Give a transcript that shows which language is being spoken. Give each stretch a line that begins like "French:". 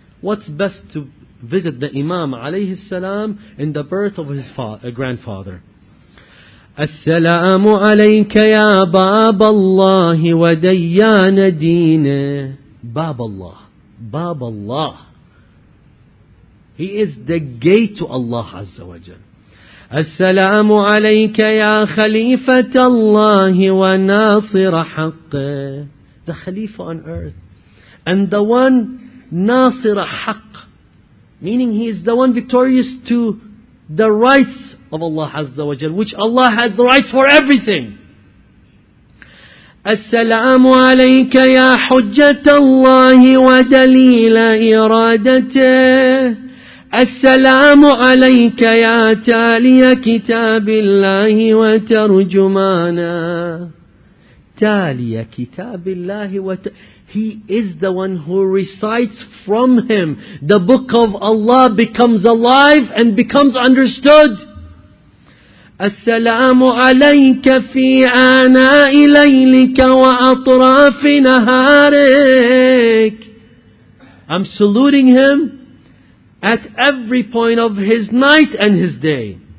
English: What's best to visit the Imam alayhi salam in the birth of his grandfather?
Arabic: As-salamu alayka ya bab Allah wa dayyan deene. Bab Allah.
English: Bab Allah. He is the gate to Allah Azza wa Jal.
Arabic: السلام عليك يا خليفة الله وناصر حقه.
English: The Khalifa on earth. And the one
Arabic: ناصر حق.
English: Meaning he is the one victorious to the rights of Allah Azza wa Jal. Which Allah has the rights for everything.
Arabic: السلام عليك يا حجة الله ودليل إرادته. السلام عليك يا تالي كتاب الله وترجمانه. تالي كتاب الله
English: He is the one who recites from him. The book of Allah becomes alive and becomes understood.
Arabic: السلام عليك في آناء ليلك وأطراف نهارك.
English: I'm saluting him at every point of his night and his day.